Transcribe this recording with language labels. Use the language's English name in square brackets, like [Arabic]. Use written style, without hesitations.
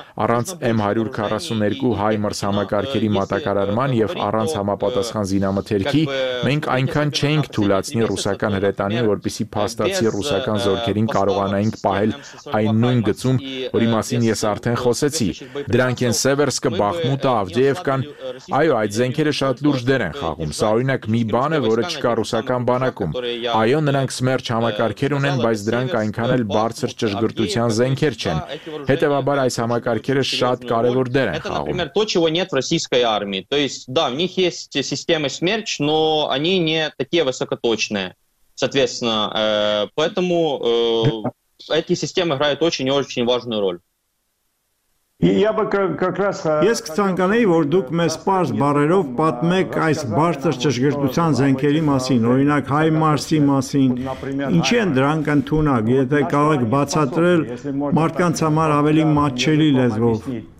[Armenian] առանց M142 հայ մրցահամակարգերի մատակարարման եւ առանց համապատասխան զինամթերքի, մենք այնքան չենք թույլատրի ռուսական հրետանին, որպիսի փաստացի ռուսական զորքերին կարողանայինք պահել այն նույն գծում, որի մասին ես արդեն խոսեցի։ Դրանք են Սևերսկը, Բախմուտը, Ավդիևկան։ Այո, այդ զենքերը շատ լուրջ դեր են խաղում։ Սա օրինակ մի բան է, որը չկա ռուսական բանակում։ Այո, նրանք Սմերջ համակարգեր ունեն, բայց դրանք այնքան էլ բարձր ճշգրտության զենքեր չեն։ Հետևաբար այս համակարգերը շատ կարևոր դեր են խաղում։ [Russian] Например, то чего нет в российской армии. То есть, да, у них есть системы Смерч, но они не такие высокоточные. Соответственно, поэтому эти системы играют очень-очень важную роль. [Armenian] Ես կցանկանեի, որ դուք մեզ պարզ բարերով պատմեք այս բարձր ճշգրտության զենքերի մասին, օրինակ հայ մարսի մասին, ինչի են դրանք ընդունակ, եթե կարող բացատրել մարդկանց համար ավելի մատչելի լեզվով։